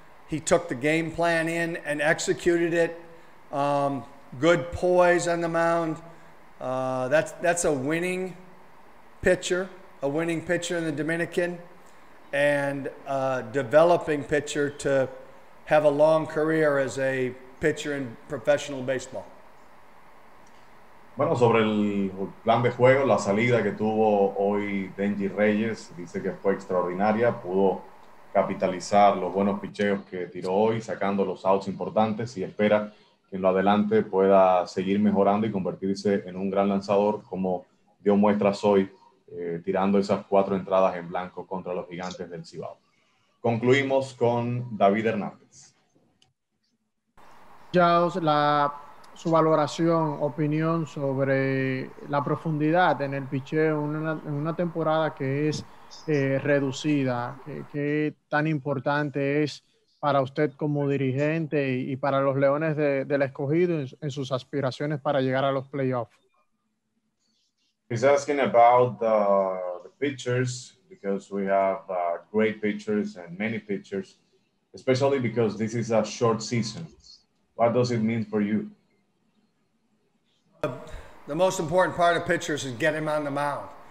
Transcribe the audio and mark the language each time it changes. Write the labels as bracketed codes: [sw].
[en] He took the game plan in and executed it. Good poise on the mound. That's a winning pitcher, in the Dominican, and a developing pitcher to have a long career as a pitcher in professional baseball. [es] Bueno, sobre el plan de juego, la salida que tuvo hoy Denji Reyes, dice que fue extraordinaria, pudo capitalizar los buenos picheos que tiró hoy, sacando los outs importantes, y espera que en lo adelante pueda seguir mejorando y convertirse en un gran lanzador, como dio muestras hoy, tirando esas cuatro entradas en blanco contra los Gigantes del Cibao. Concluimos con David Hernández. Jaos, su valoración, opinión sobre la profundidad en el picheo en una temporada que es reducida, ¿qué tan importante es para usted como dirigente y para los Leones del Escogido en sus aspiraciones para llegar a los playoffs? [en] He's asking about the pitchers, because we have great pitchers and many pitchers, especially because this is a short season. What does it mean for you? The most important part of pitchers is get him on the mound.